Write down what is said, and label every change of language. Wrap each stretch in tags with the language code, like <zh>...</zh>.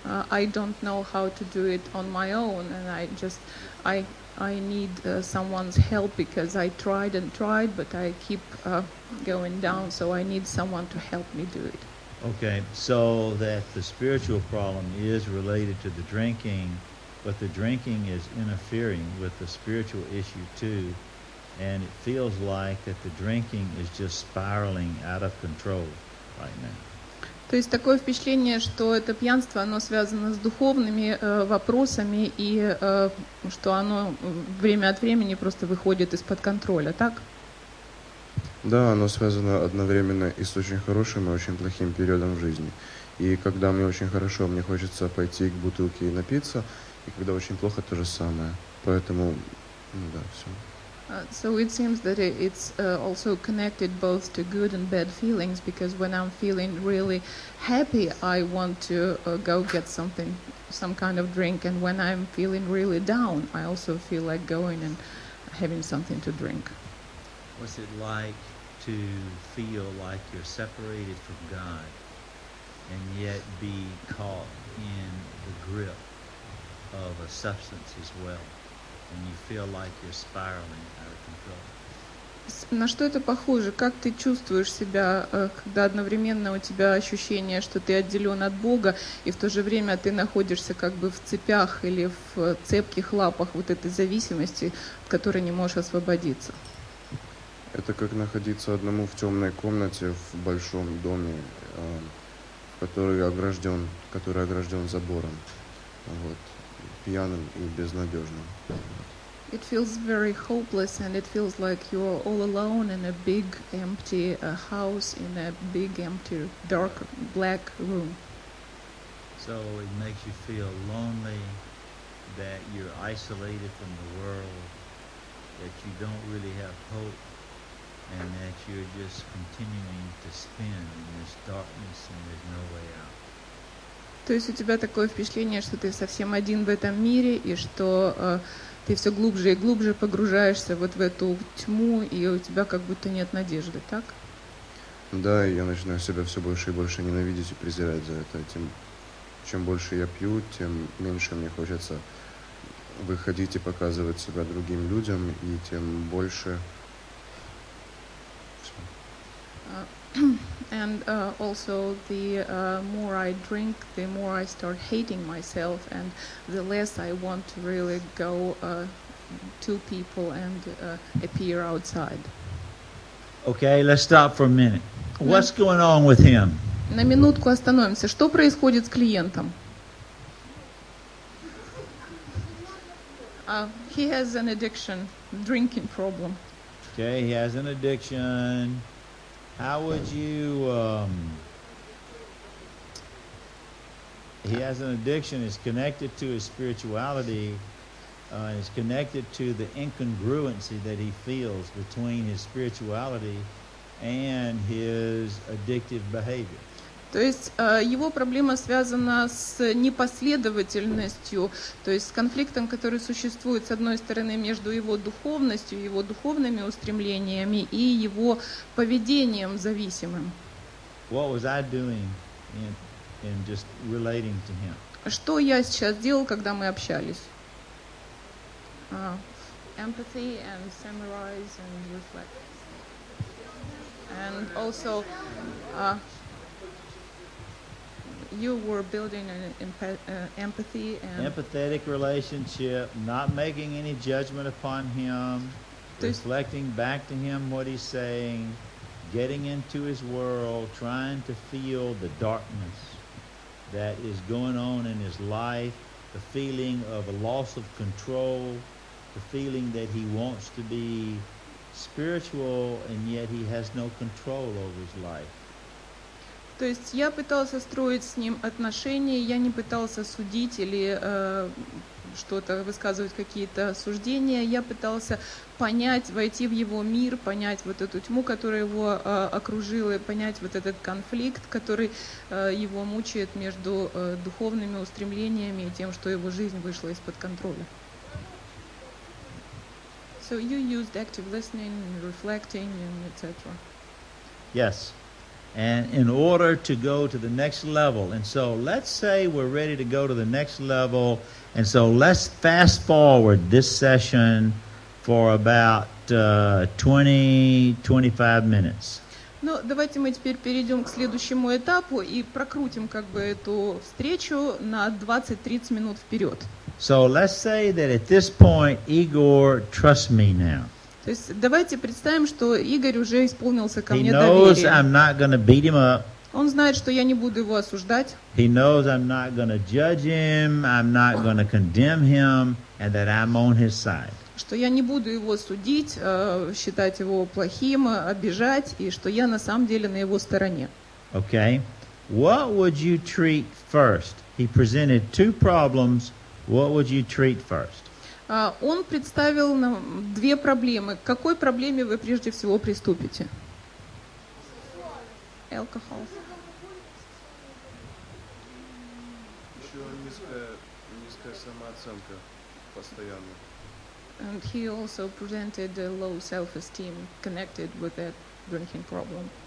<en>I don't know how to do it on my own, and I need someone's help because I tried and tried, but I keep going down, so I need someone to help me do it. Okay, so that the spiritual problem is related to the drinking, but the drinking is interfering with the spiritual issue too, and it feels like that the drinking is just spiraling out of control right now.</en> <ru>То есть такое впечатление, что это пьянство, оно связано с духовными вопросами и что оно время от времени просто выходит из-под контроля, так? Да, оно связано одновременно и с очень хорошим и очень плохим периодом в жизни. И когда мне очень хорошо, мне хочется пойти к бутылке и напиться, и когда очень плохо, то же самое. Поэтому, ну да, все.</ru> <en>So it seems that it's also connected both to good and bad feelings, because when I'm feeling really happy, I want to go get something, some kind of drink, and when I'm feeling really down, I also feel like going and having something to drink. What's it like to feel like you're separated from God and yet be caught in the grip of a substance as well? And you feel like you're spiraling out of control.</en> <ru>На что это похоже? Как ты чувствуешь себя, когда одновременно у тебя ощущение, что ты отделен от Бога, и в то же время ты находишься как бы в цепях или в цепких лапах вот этой зависимости, от которой не можешь освободиться? Это как находиться одному в темной комнате в большом доме, который огражден забором. Вот. Пьяным и безнадежным.</ru> <en>It feels very hopeless, and it feels like you're all alone in a big empty house, in a big empty dark black room. So it makes you feel lonely, that you're isolated from the world, that you don't really have hope, and that you're just continuing to spin in this darkness and there's no way out.</en> <ru>То есть у тебя такое впечатление, что ты совсем один в этом мире, и что ты все глубже и глубже погружаешься вот в эту тьму, и у тебя как будто нет надежды, так? Да, и я начинаю себя все больше и больше ненавидеть и презирать за это. Чем больше я пью, тем меньше мне хочется выходить и показывать себя другим людям, и тем больше...</ru> <en>And also, the more I drink, the more I start hating myself, and the less I want to really go to people and appear outside. Okay, let's stop for a minute. What's going on with him?</en> <ru>На минутку остановимся. Что происходит с клиентом?</ru> <en>He has an addiction, drinking problem. Okay, he has an addiction. How would you, he has an addiction, it's connected to his spirituality, it's connected to the incongruency that he feels between his spirituality and his addictive behavior.</en> <ru>То есть его проблема связана с непоследовательностью, то есть с конфликтом, который существует, с одной стороны, между его духовностью, его духовными устремлениями и его поведением зависимым.</ru> <en>What was I doing in just relating to him?</en> <ru>Что я сейчас делал, когда мы общались?</ru> <en>Empathy and summarize and reflect. And also... You were building an empathy and... Empathetic relationship, not making any judgment upon him, reflecting back to him what he's saying, getting into his world, trying to feel the darkness that is going on in his life, the feeling of a loss of control, the feeling that he wants to be spiritual, and yet he has no control over his life.</en> <ru>То есть я пытался строить с ним отношения, я не пытался судить или что-то высказывать, какие-то суждения. Я пытался понять, войти в его мир, понять вот эту тьму, которая его окружила, понять вот этот конфликт, который его мучает между духовными устремлениями и тем, что его жизнь вышла из-под контроля.</ru> <en>So you used active listening, reflecting, and etc. Yes. And in order to go to the next level, and so let's say we're ready to go to the next level, and so let's fast forward this session for about 20-25 minutes.</en> <ru>Ну, давайте мы теперь перейдем к следующему этапу и прокрутим как бы эту встречу на 20-30 минут вперед.</ru> <en>So let's say that at this point Igor trusts me now.</en> <ru>То есть давайте представим, что Игорь уже исполнился ко</ru> <en>he</en> <ru>мне</ru> <en>knows</en> <ru>доверие.</ru> <en>I'm not gonna beat him up.</en> <ru>Он знает, что я не буду его осуждать.</ru> <en>He knows I'm not gonna judge him, I'm not gonna condemn him, and that I'm on his side.</en> <ru>Что я не буду его судить, считать его плохим, обижать, и что я на самом деле на его стороне.</ru> <en>Okay. What would you treat first? He presented two problems. What would you treat first?</en> <ru>Он представил нам две проблемы. К какой проблеме вы прежде всего приступите? Алкоголь. Еще низкая самооценка постоянно.</ru> <en>And he also presented a low self-esteem connected with that drinking problem.</en>